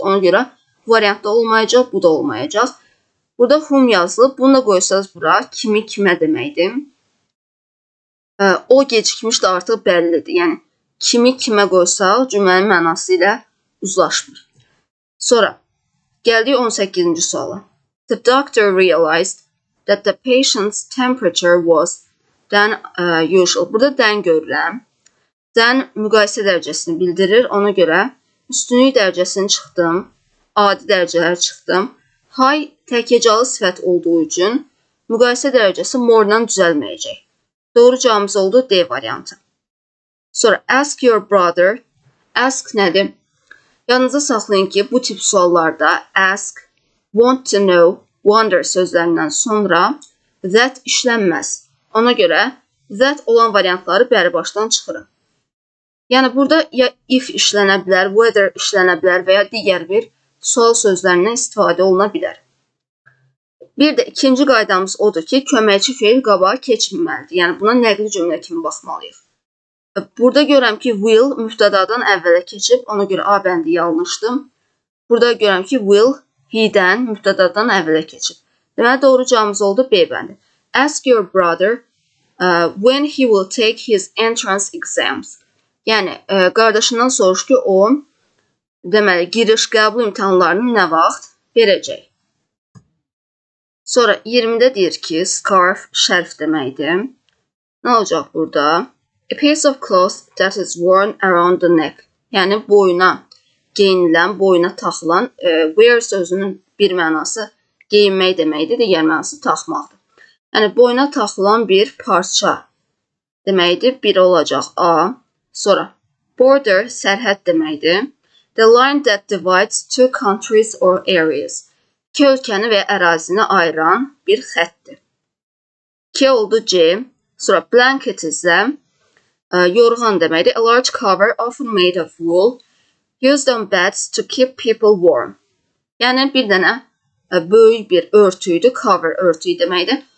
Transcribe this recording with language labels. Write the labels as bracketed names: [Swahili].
[Azerbaijani] Ona görə bu variant da olmayacaq, bu da olmayacaq. Burada whom yazılıb, bunu da qoysanız bura, kimi kimə deməkdir. O gecikmiş də artıq bəllidir. Yəni, kimi kimə qoysaq, cümlənin mənası ilə uzlaşmır. Sonra, gəldik 18-ci suala. [English] The doctor realized that the patient's temperature was than usual. [Azerbaijani] Burada than görürəm. Than müqayisə dərəcəsini bildirir. Ona görə üstünlük dərəcəsini çıxdım. Adi dərəcələr çıxdım. High təkəcalı sifət olduğu üçün müqayisə dərəcəsi more-la düzəlməyəcək. Doğru cavabımız oldu D variantı. Sonra [English] ask your brother. [Azerbaijani] Ask nədir? Yanınıza saxlayın ki, bu tip suallarda ask, want to know, wonder sözlərindən sonra that işlənməz. Ona görə that olan variantları bəri başdan çıxırım. Yəni, burada ya if işlənə bilər, whether işlənə bilər və ya digər bir sual sözlərindən istifadə oluna bilər. Bir də ikinci qaydamız odur ki, köməkçi feil qabağa keçməlidir. Yəni, buna nəqli cümlə kimi baxmalıyıq. Burada görəm ki, will müftədadan əvvələ keçib, ona görə A bəndi yanlışdım. Burada görəm ki, will he-dən müftədadan əvvələ keçib. Deməli, doğru cavabımız oldu B bəndi. [English] Ask your brother when he will take his entrance exams. [Azerbaijani] Yəni, qardaşından soruş ki, o, deməli, giriş qəbul imtihanlarını nə vaxt verəcək. Sonra 20-də deyir ki, scarf şərf deməkdir. Nə olacaq burada? [English] A piece of cloth that is worn around the neck. [Azerbaijani] Yəni, boyuna geyinilən, boyuna taxılan, wear sözünün bir mənası geyinmək deməkdir, digər mənası taxmaqdır. Yəni, boyuna taxılan bir parça deməkdir. Biri olacaq A. Sonra, border, sərhəd deməkdir. Də [English] The line that divides two countries or areas. [Azerbaijani] İki ölkəni və ərazini ayıran bir xəttdir. İki oldu C. Sonra blanket isə yorğan deməkdir. [English] A large cover often made of wool. Used on beds to keep people warm. [Azerbaijani] Yəni bir dənə böyük bir örtüydü. Cover örtüyü deməkdir.